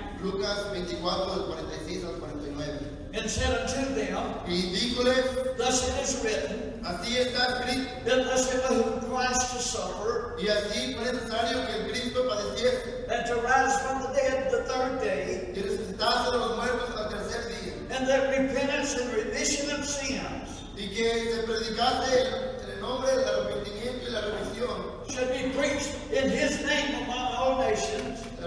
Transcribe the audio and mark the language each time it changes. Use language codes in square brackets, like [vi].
[es] Lucas 24, 46 al 49. [en] And said unto them, [es] y dícoles, [en] thus it is written, [es] así está escrito, [en] that thus it behooved Christ to suffer, [es] y así fue necesario que Cristo padeciese, [en] and to rise from the dead the third day, [es] y resucitase de los muertos al tercer día, [en] and that repentance and remission of sins, [es] y que se predicase en el nombre del arrepentimiento y la remisión, [en] should be preached in his name among all nations,